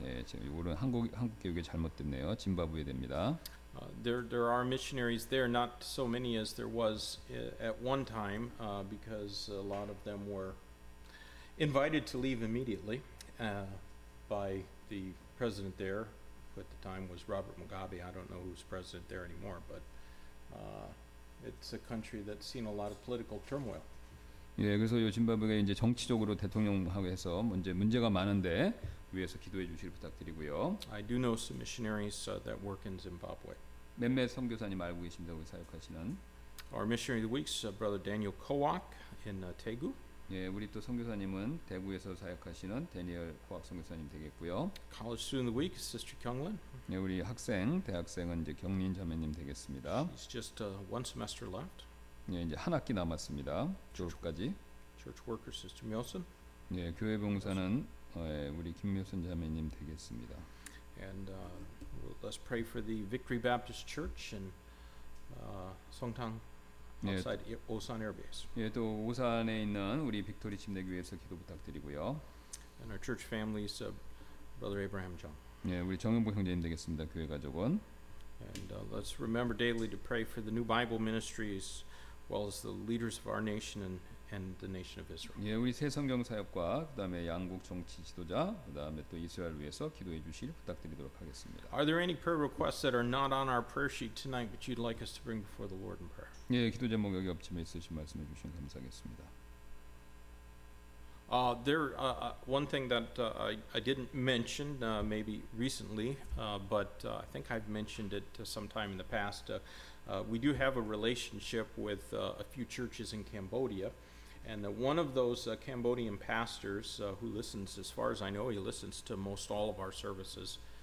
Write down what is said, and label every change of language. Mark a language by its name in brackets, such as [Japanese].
[Korean] 예, 지금 이거는 한국 교육이 잘못됐네요. 짐바브웨 됩니다. [English] There are missionaries there, not so many as there was at one time, because a lot of them were invited to leave immediately by the president there, who at the time was Robert Mugabe. I don't know who's president there anymore, but it's a country that's seen a lot of political turmoil. [Korean] 예, 그래서 요 짐바브웨 이제 정치적으로 대통령하고 해서 문제가 많은데 위해서 기도해 주시길 부탁드리고요. [English] I do know some missionaries that work in Zimbabwe. [Korean] 몇몇 선교사님 알고 계십니다, 우리 사역하시는? [English] Our missionary of the week is Brother Daniel Kowak in Daegu. [Korean] 예, 우리 또 선교사님은 대구에서 사역하시는 대니얼 코악 선교사님 되겠고요. [English] College student of the week, Sister Kyunglin. [Korean] 예, 우리 학생, 대학생은 이제 경린 자매님 되겠습니다. [English] She's just one semester left. [Korean] 예, 이제 한 학기 남았습니다. 졸업까지. [English] Church worker, Sister Milson. [Korean] 예, 교회 봉사는 우리 김묘선 자매님 되겠습니다. [English] And let's pray for the Victory Baptist Church in Songtang. Outside [Korean] 예, [English] Osan Air Base. [Korean] 예, 또 오산에 있는 우리 빅토리 침례교회에서 기도 부탁드리고요. [English] And our church family is Brother Abraham Jung. [Korean] 예, 우리 정영보 형제님 되겠습니다. 교회 가족은. [English] And let's remember daily to pray for the new Bible ministries, well as the leaders of our nation and the nation of Israel. [Korean] 예, 우리 새 성경 사역과 그다음에 양국 정치 지도자, 그다음에 또 이스라엘 위해서 기도해 주실 부탁드리도록 하겠습니다. [English] Are there any prayer requests that are not on our prayer sheet tonight, but you'd like us to bring before the Lord in prayer? [Korean] 예, 기도 제목 여기 없지만 있으신 말씀해 주시면 감사하겠습니다. [English] There one thing that I didn't mention maybe recently, but I think I've mentioned it sometime in the past. We do have a relationship with a few churches in Cambodia, and one of those Cambodian pastors who listens, as far as I know, he listens to most all of our services.